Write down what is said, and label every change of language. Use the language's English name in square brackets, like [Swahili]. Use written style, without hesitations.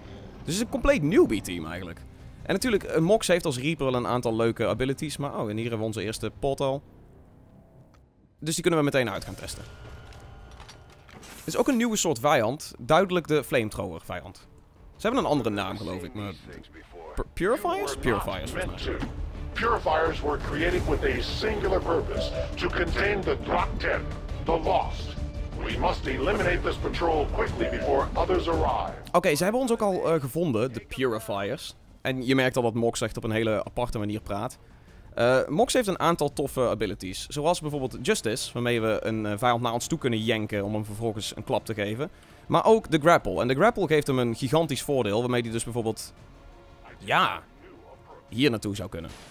[Dutch] Dus het is een compleet newbie team eigenlijk. En natuurlijk, Mox heeft als Reaper wel een aantal leuke abilities, maar oh, en hier hebben we onze eerste pot al. Dus die kunnen we meteen uit gaan testen. Het is ook een nieuwe soort vijand, duidelijk de flamethrower vijand. Ze hebben een andere naam, geloof ik, maar... Purifiers? Purifiers, volgens mij. [English] Purifiers were created with a singular purpose, to contain the Drogtan, the Lost. We must eliminate this patrol quickly before others arrive. [Dutch] Oké, ze hebben ons ook al gevonden, de Purifiers. En je merkt al dat Mox echt op een hele aparte manier praat. Mox heeft een aantal toffe abilities. Zoals bijvoorbeeld Justice, waarmee we een vijand naar ons toe kunnen jenken om hem vervolgens een klap te geven. Maar ook de Grapple. En de Grapple geeft hem een gigantisch voordeel, waarmee hij dus bijvoorbeeld... Ja, hier naartoe zou kunnen.